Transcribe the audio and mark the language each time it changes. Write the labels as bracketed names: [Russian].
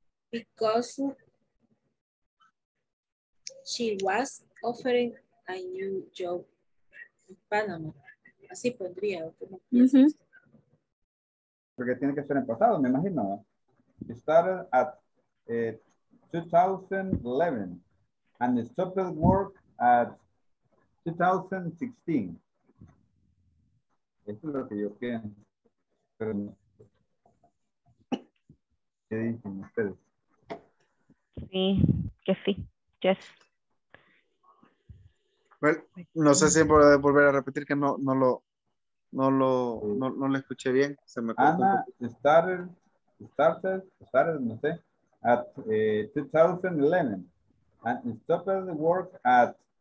[English] Because she was offering a new job [Spanish] en Panamá. Así pondría. Porque tiene que ser en pasado, me imagino. [English] It started at 2011 and stopped work at 2016. [Spanish] Esto es lo que yo pienso. Pero no. ¿Qué dicen ustedes? Sí, que sí. Yes. Well, no sé si puedo volver a repetir que no lo escuché bien. Se me [English] Ana started, [Spanish] no sé, [English] at 2011 and stopped the work at